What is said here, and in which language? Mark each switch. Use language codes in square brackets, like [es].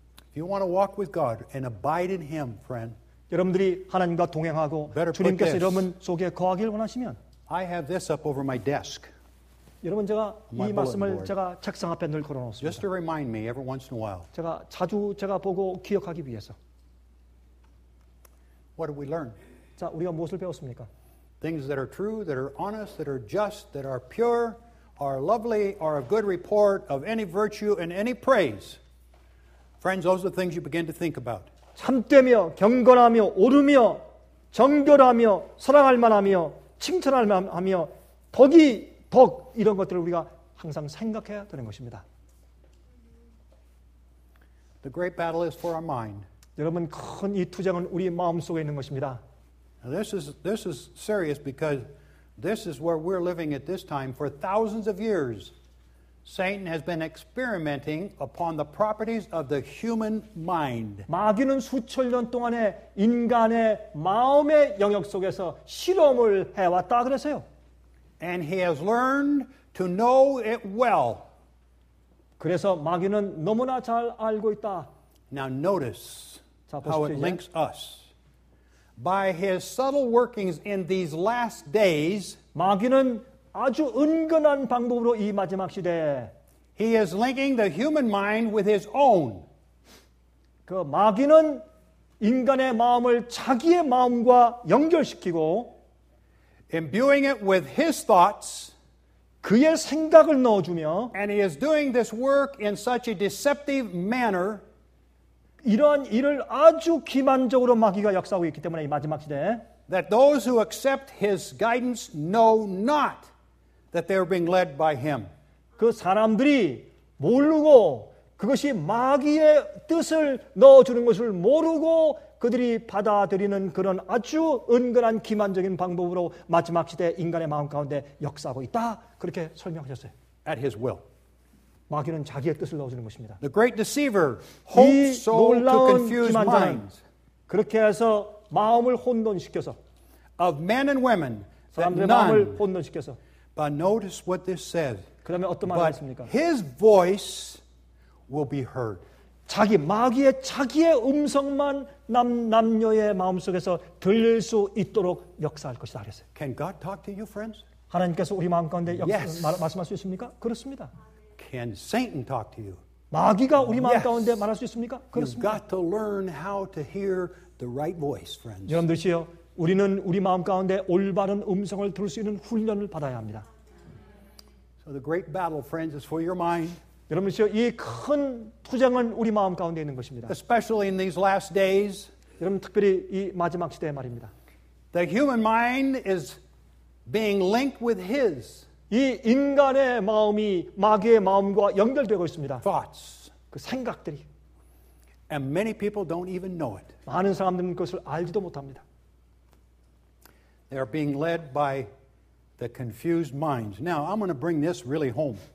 [en] If you want to walk with God and abide in Him, friend, [ko] 여러분들이 하나님과 동행하고 주님께서 여러분 속에 거하길 원하시면, [en] I have this up over my desk. [ko] 여러분 제가 이 말씀을 제가 책상 앞에 늘 걸어놓습니다. [en] Just to remind me every once in a while. [ko] 제가 자주 제가 보고 기억하기 위해서. [en] What did we learn? [ko] 자, 우리가 무엇을 배웠습니까? [en] Things that are true, that are honest, that are just, that are pure, are lovely, are of good report, of any virtue and any praise. Friends, those are the things you begin to think about. [ko] 참되며, 경건하며, 오르며, 정결하며, 사랑할 만하며, 칭찬할 만하며, 덕이 덕 이런 것들을 우리가 항상 생각해야 되는 것입니다. [en] The great battle is for our mind. [ko] 여러분, 큰 이 투쟁은 우리 마음 속에 있는 것입니다. [en] This is serious because this is where we're living at this time for thousands of years. Satan has been experimenting upon the properties of the human mind. [ko] 마귀는 수천 년 동안에 인간의 마음의 영역 속에서 실험을 해왔다 그랬어요. [en] And he has learned to know it well. [ko] 그래서 마귀는 너무나 잘 알고 있다. [en] Now notice how it links us. By his subtle workings in these last days, [ko] 마귀는 아주 은근한 방법으로 이 마지막 시대에 [en] He is linking the human mind with his own. [ko] 그 마귀는 인간의 마음을 자기의 마음과 연결시키고 [en] imbuing it with his thoughts [ko] 그의 생각을 넣어주며 [en] and he is doing this work in such a deceptive manner [ko] 이러한 일을 아주 기만적으로 마귀가 역사하고 있기 때문에 이 마지막 시대에 [en] that those who accept his guidance know not that they are being led by him. [ko] 그 사람들이 모르고 그것이 마귀의 뜻을 넣어주는 것을 모르고 그들이 받아들이는 그런 아주 은근한 기만적인 방법으로 마지막 시대 인간의 마음 가운데 역사하고 있다. 그렇게 설명하셨어요. [en] At his will. [ko] 마귀는 자기의 뜻을 넣어주는 것입니다. [en] The great deceiver hopes so to confuse minds. [ko] 그렇게 해서 마음을 혼돈시켜서 [en] of men and women, [ko] 사람들의 마음을 혼돈시켜서 [en] But notice what this says. [ko] 그 다음에 어떤 말이 있습니까? [en] His voice will be heard. [ko] 자기 마귀의 자기의 음성만 남녀의 마음속에서 들릴 수 있도록 역사할 것이다 하셨어요. [en] Can God talk to you, friends? [ko] 하나님께서 우리 마음 가운데 말씀할 수 있습니까? 그렇습니다. [en] Can Satan talk to you? [ko] 마귀가 우리 마음 가운데 말할 수 있습니까? 그렇습니다. [en] You've got to learn how to hear the right voice, friends. [ko] 여러분들이요, 우리는 우리 마음 가운데 올바른 음성을 들을 수 있는 훈련을 받아야 합니다. [en] So the great battle, friends, is for your mind. [ko] 여러분들이요, 이 큰 투쟁은 우리 마음 가운데 있는 것입니다. [en] Especially in these last days. [ko] 여러분 특별히 이 마지막 시대의 말입니다. [en] The human mind is being linked with his. [ko] 이 인간의 마음이 마귀의 마음과 연결되고 있습니다. [en] Thoughts. [ko] 그 생각들이. [en] And many people don't even know it. [ko] 많은 사람들은 그것을 알지도 못합니다. [en] They are being led by the confused minds. Now, I'm going to bring this really home.